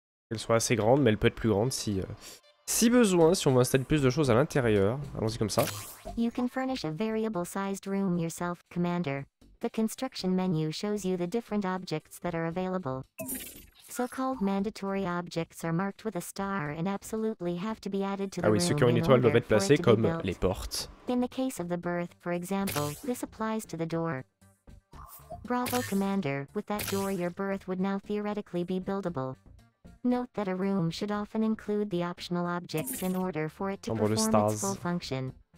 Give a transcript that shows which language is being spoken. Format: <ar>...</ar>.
<fr>Elle soit assez grande, mais elle peut être plus grande si... Si besoin, si on veut installer plus de choses à l'intérieur, allons-y comme ça.</fr> <en>You can furnish a variable sized room yourself, Commander. The construction menu shows you the different objects that are available. So-called mandatory objects are marked with a star and absolutely have to be added to the room.</en> <fr>Ah oui, ceux qui ont une étoile doivent être placés comme les portes.</fr> <en>In the case of the berth, for example, this applies to the door. Bravo, Commander. With that door, your berth would now theoretically be buildable. Note that a room should often include the optional objects in order for it to perform its full function.</en>